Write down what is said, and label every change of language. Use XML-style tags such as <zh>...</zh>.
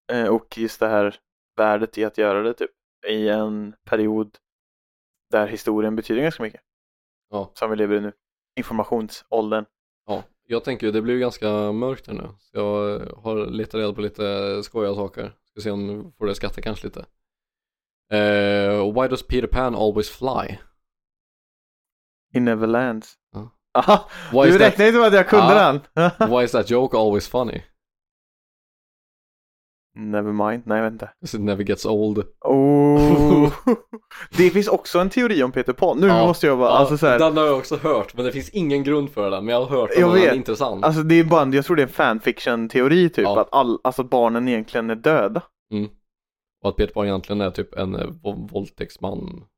<sv>Och just det här värdet i att göra det typ i en period där historien betyder ganska mycket. Ja. Som vi lever i nu. Informationsåldern. Ja, jag tänker det blir ju ganska mörkt här nu. Så jag har letat reda på lite skojiga saker. Ska se om får det skatta kanske lite.</sv> <en>Why does Peter Pan always fly? He never lands. Ah.</en> <sv>Aha, du räknade inte med att jag kunde den.</sv> <en>Why is that joke always funny? Never mind,</en> <sv>nej vänta.</sv> <en>Because it never gets old. Oh.</en> <sv>Det finns också en teori om Peter Pan. Nu måste jag vara alltså så här. Den har jag också hört, men det finns ingen grund för den. Men jag har hört att den är intressant. Alltså, det är bara, jag tror det är en fanfiction-teori typ. Ah. Att alltså barnen egentligen är döda. Mm. Och att Peter Pan egentligen är typ en våldtäktsman.</sv>